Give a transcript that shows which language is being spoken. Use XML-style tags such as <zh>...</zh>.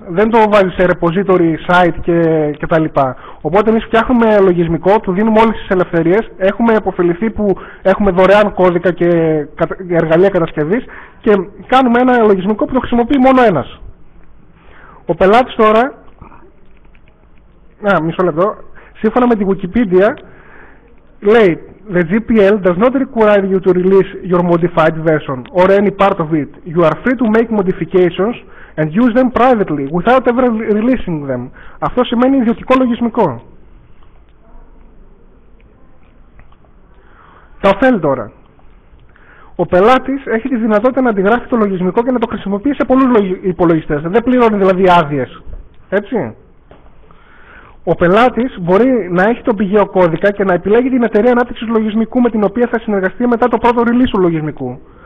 <el>Δεν το βάζει σε repository, site κτλ. Οπότε εμείς φτιάχνουμε λογισμικό, του δίνουμε όλες τις ελευθερίες, έχουμε υποφεληθεί που έχουμε δωρεάν κώδικα και εργαλεία κατασκευής και κάνουμε ένα λογισμικό που το χρησιμοποιεί μόνο ένας. Ο πελάτης τώρα, μισό λεπτό, σύμφωνα με τη Wikipedia, λέει</el> <en>the GPL does not require you to release your modified version or any part of it. You are free to make modifications and use them privately without ever releasing them.</en> <el>Αυτό σημαίνει ιδιωτικό λογισμικό. Τα ωφέλη τώρα. Ο πελάτης έχει τη δυνατότητα να αντιγράφει το λογισμικό και να το χρησιμοποιεί σε πολλούς υπολογιστές. Δεν πληρώνει δηλαδή άδειες. Έτσι. Ο πελάτης μπορεί να έχει τον πηγαίο κώδικα και να επιλέγει την εταιρεία ανάπτυξης λογισμικού με την οποία θα συνεργαστεί μετά το πρώτο release του λογισμικού.</el>